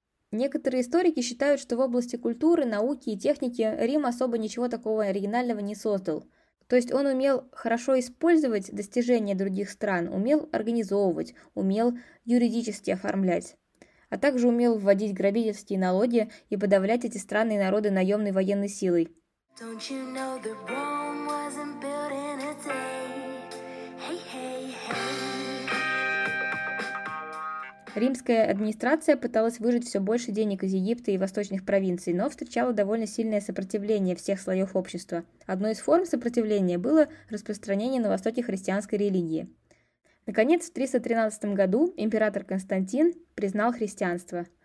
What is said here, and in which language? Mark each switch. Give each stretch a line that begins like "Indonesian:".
Russian: Некоторые историки считают, что в области культуры, науки и техники Рим особо ничего такого оригинального не создал. То есть он умел хорошо использовать достижения других стран, умел организовывать, умел юридически оформлять, а также умел вводить грабительские налоги и подавлять эти странные народы наемной военной силой.
English: Don't you know the Rome wasn't built in a day? Hey, hey, hey.
Russian: Римская администрация пыталась выжать все больше денег из Египта и восточных провинций, но встречала довольно сильное сопротивление всех слоев общества. Одной из форм сопротивления было распространение на Востоке христианской религии. Наконец, в 313 году император Константин признал христианство.